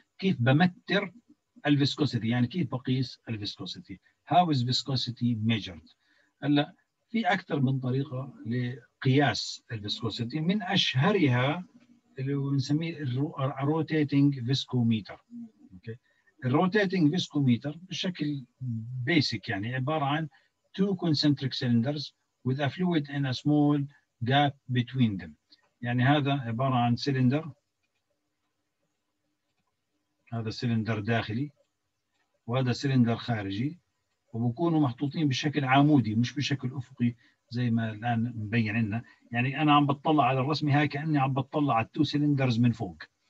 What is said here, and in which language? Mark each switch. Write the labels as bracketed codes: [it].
[ar] كيف بمتر الفيسكوسيتي؟ يعني كيف بقيس الفيسكوسيتي؟ [en] How is viscosity measured؟ [ar] هلا في أكثر من طريقة لقياس الفيسكوسيتي، من أشهرها اللي بنسميه الروتيتينج فيسكوميتر. الروتيتينج فيسكوميتر بشكل بيسك يعني عبارة عن [en] two concentric cylinders with a fluid and a small gap between them. [ar] يعني هذا عبارة عن سيلندر، هذا سيلندر داخلي وهذا سيلندر خارجي، وبكونوا محطوطين بشكل عمودي مش بشكل أفقي زي ما الآن مبين لنا. يعني أنا عم بتطلع على الرسم هاي كأني عم بتطلع على [en] two cylinders [ar] من فوق.